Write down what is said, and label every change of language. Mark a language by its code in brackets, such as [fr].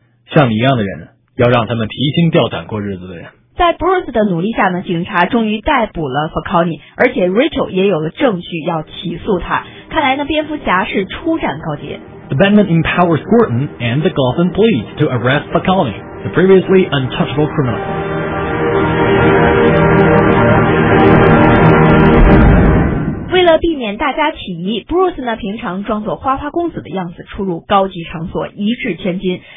[zh] 像你一样的人，要让他们提心吊胆过日子的人。在 Bruce 的努力下呢，警察终于逮捕了 Falcone， 而且 Rachel 也有了证据要起诉他。看来呢，蝙蝠侠是初展告捷。 [en] The Batman empowers Gordon and the Gotham Police to arrest Falcone, the previously untouchable criminal. [zh] 为了避免大家起疑， Bruce 呢平常装作花花公子的样子出入高级场所，一掷千金。